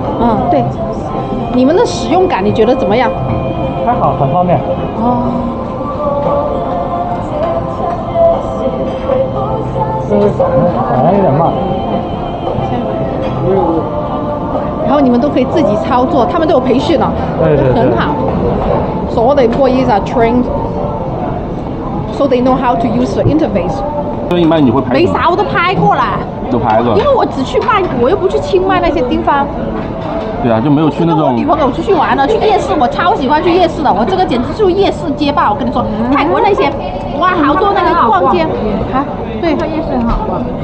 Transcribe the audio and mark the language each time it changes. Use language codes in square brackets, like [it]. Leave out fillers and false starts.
[zh] 嗯，对，你们的使用感你觉得怎么样？还好，很方便。哦。这反应有点慢。然后你们都可以自己操作，他们都有培训了，对，很好。 [en] So all the employees are trained, so they know how to use the interface. [zh] 所以一般你会拍？没啥，我都拍过了。都拍过。因为我只去曼谷，我又不去清迈那些地方。对啊，就没有去那种。跟我女朋友出去玩了，去夜市，我超喜欢去夜市的，我这个简直就是夜市街霸。我跟你说，泰国那些，哇，好多那个逛街，啊，对，夜市很好逛。